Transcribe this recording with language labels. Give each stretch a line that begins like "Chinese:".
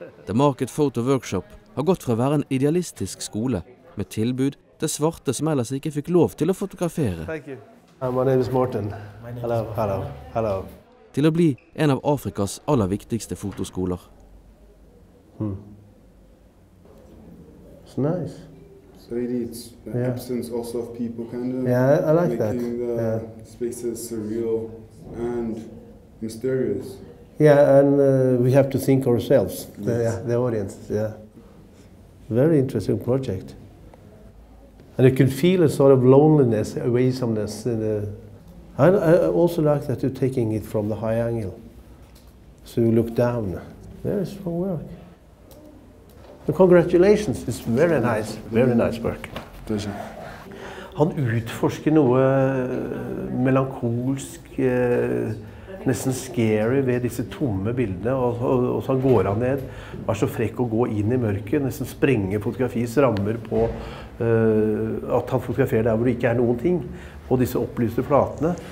Norwegian: The Market Photo Workshop har gått fra å være en idealistisk skole, med tilbud til svarte som ellers ikke fikk lov til å fotografere.
English: My name is Morten. Hello.
Norwegian: Til å bli en av Afrikas aller viktigste fotoskoler.
English: It's nice. So it's the absence also of people, kind of. Yeah, I like that. Making the spaces surreal and mysterious. Yeah, and we have to think ourselves, the audience. Yeah. Very interesting project. And you can feel a sort of loneliness, awaysomeness. I also like that you're taking it from the high angle. So you look down. Very strong work. And congratulations, it's very nice. Very nice work. Pleasure.
Norwegian: Han utforsker noe melankolsk, nesten scary ved disse tomme bildene. Og så går han ned, var så frekk å gå inn i mørket, nesten sprenger fotografiets rammer på at han fotograferer der hvor det ikke er noen ting, og disse opplyste flatene.